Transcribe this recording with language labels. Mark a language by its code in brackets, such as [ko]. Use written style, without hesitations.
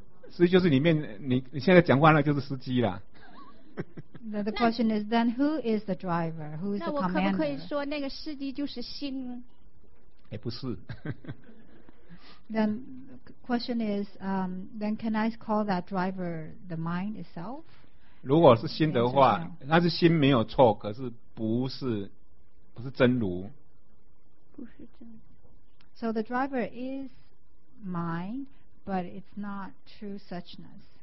[zh] 司机就是里面，你现在讲话那就是司机啦。 [en] 那the question is then who is the driver? Who is the commander? [zh] 那我可不可以说那个司机就是心？哎，不是。 [en] Then question is, then can I call that driver the mind itself? [zh] 如果是心的话，那是心没有错，可是不是真如。不是真。 [en] So the driver is mind, but it's not true suchness.